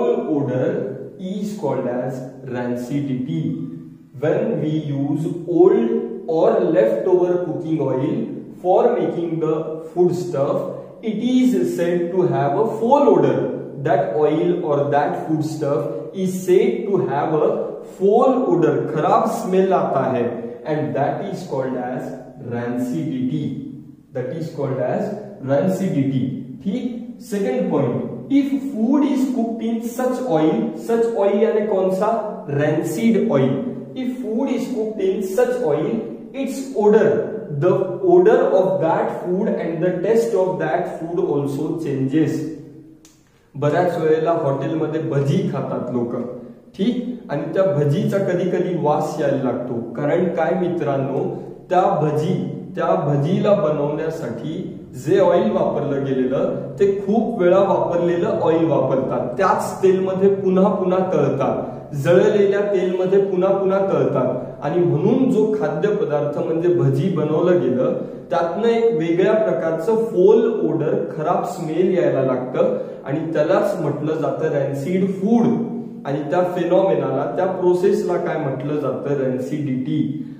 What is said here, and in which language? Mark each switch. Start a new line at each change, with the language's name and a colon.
English: Odour is called as rancidity when we use old or left over cooking oil for making the food stuff, it is said to have a foul odour. That oil or that food stuff is said to have a foul odour,
Hindi: खराब smell आता है,
English: And that is called as rancidity, that is called as rancidity. ठीक, second point, if food is cooked in such oil, such oil
Hindi: यानी कौन सा?
English: Rancid oil. If food is cooked in such oil, it's odour, the odour of that food and the taste of that food also changes.
Marathi: बऱ्याच वेळेला hotel मध्ये भजी खातात लोक, ठीक, आणि त्या भजीचा कधी कधी वास यायला लागतो, कारण काय मित्रांनो, त्या भजीला बनवण्यासाठी जे ऑइल वापरलं गेलेलं ते खूप वेळा वापरलेलं ऑइल वापरतात, त्याच तेलमध्ये पुन्हा पुन्हा तळतात, जळलेल्या तेलमध्ये पुन्हा पुन्हा तळतात, आणि म्हणून जो खाद्य पदार्थ म्हणजे भजी बनवलं गेलं त्यातनं एक वेगळ्या प्रकारचं फोल ओडर, खराब स्मेल यायला लागतं, आणि त्यालाच म्हटलं जातं रॅन्सिड फूड, आणि त्या फेनॉमेनाला, त्या प्रोसेसला काय म्हटलं जातं? रॅन्सिडिटी।